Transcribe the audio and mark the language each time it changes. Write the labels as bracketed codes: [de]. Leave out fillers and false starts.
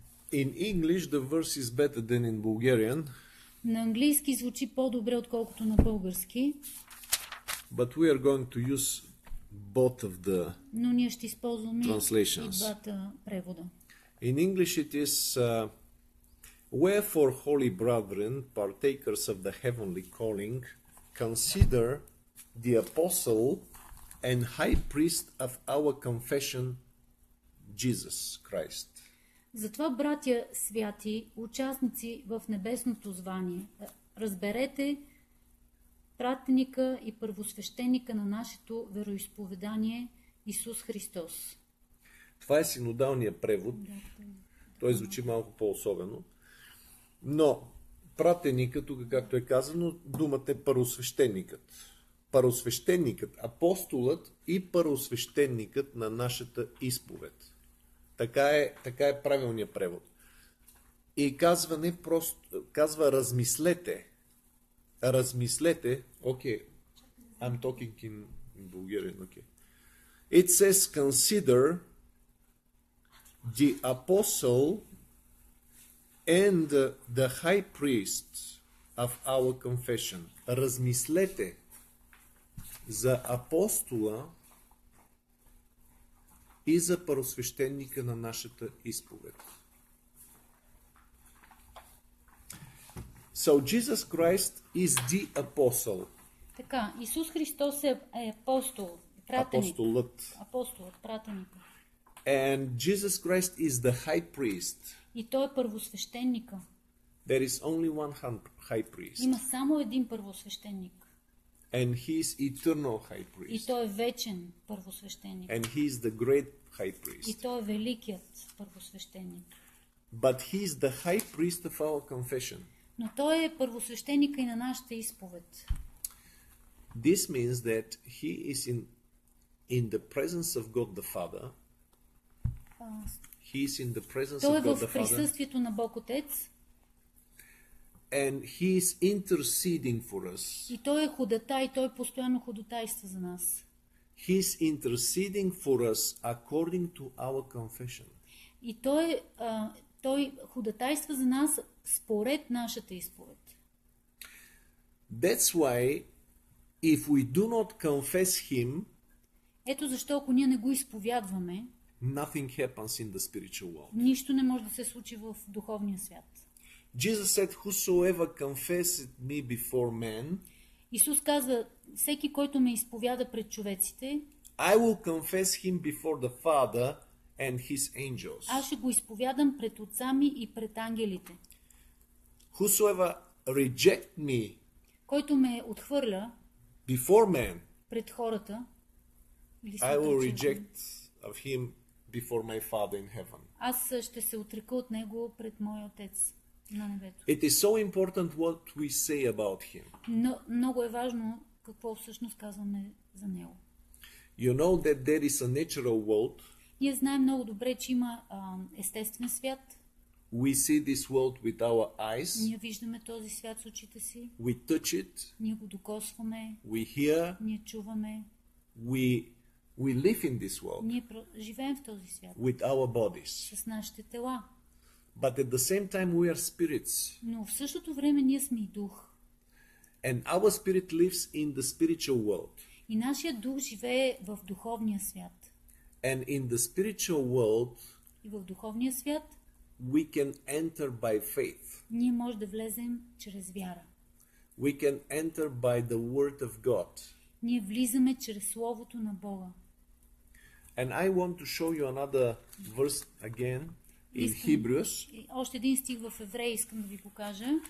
[en] In English the verse is better than in Bulgarian. [bg] На английски звучи по-добре отколкото на български. [en] But we are going to use both of the translations. [bg] Но ние ще използваме и двата превода. [en] In English it is Wherefore, holy brethren, partakers of the heavenly calling, consider the apostle and high priest of our confession, Jesus Christ. [bg] Затова, братя святи, участници в небесното звание, разберете пратеника и първосвещеника на нашето вероисповедание Исус Христос. Това е синодалния превод. Той звучи малко по-особено. Но пратеника, тук както е казано, думата е първосвещеникът. Първосвещеникът, апостолът и първосвещеникът на нашата изповед. Така е правилният превод. И казва не просто, казва размислете. Размислете. Окей. [en] Okay. I'm talking in Bulgarian. Okay. It says consider the apostle and the high priest of our confession. [bg] Размислете за апостола и за първосвещеника на нашата изповед. [en] So Jesus Christ is the apostle. [bg] Така, Исус Христос е апостол, пратеник. Апостолът, пратеник. [en] And Jesus Christ is the high priest. [bg] И той е първосвещеника. [en] There is only one high priest. [bg] Има само един първосвещеник. [en] And he is eternal high priest. [bg] И той е вечен първосвещеник. [en] And he is the great high priest. [bg] И той е великият първосвещеник. [en] But he is the high priest of our confession. [bg] Но той е първосвещеника и на нашата изповед. [en] This means that he is in the presence of God the Father. He is in the presence of God the Father. [bg] Той е в присъствието на Бог Отец. [en] And he is interceding for us. [bg] И той е ходатай, той постоянно ходатайства за нас. [en] He is interceding for us according to our confession. [bg] И той ходатайства за нас според нашата изповед. [en] That's why if we do not confess him, [bg] ето защо ако ние не го изповядваме, [en] nothing happens in the spiritual world. [bg] Нищо не може да се случи в духовния свят. [en] Jesus said, whosoever confesses me before men, [bg] Исус каза, всеки който ме изповяда пред човеците, [en] I will confess him before the Father and his angels. [bg] Аз ще го изповядам пред отца ми и пред ангелите. [en] Whosoever reject me, [bg] който ме отхвърля [en] before men, [bg] пред хората, [en] I will reject of him before my Father in heaven. [bg] Аз ще се отрека от него пред моя отец. [en] It is so important what we say about him. [bg] Но много е важно какво всъщност казваме за него. [en] You know that there is a natural world. [bg] Ние знаем много добре, че има естествен свят. [en] We see this world with our eyes. [bg] Ние виждаме този свят с очите си. [en] We touch it. [bg] Ние го докосваме. [en] We hear. [bg] Ние чуваме. [en] We live in this world. [bg] Ние живеем в този свят. [en] With our bodies. [bg] С нашите тела. [en] But at the same time we are spirits. [bg] Но в същото време ние сме и дух. [en] And our spirit lives in the spiritual world. [bg] И нашия дух живее в духовния свят. [en] And in the spiritual world, [bg] и в духовния свят, [en] we can enter by faith. [bg] Ние може да влезем чрез вяра. [en] We can enter by the word of God. [bg] Ние влизаме чрез Словото на Бога. [en] And I want to show you another verse again. In Hebrews. [bg] Още един стих в Евреи искам да ви покажа.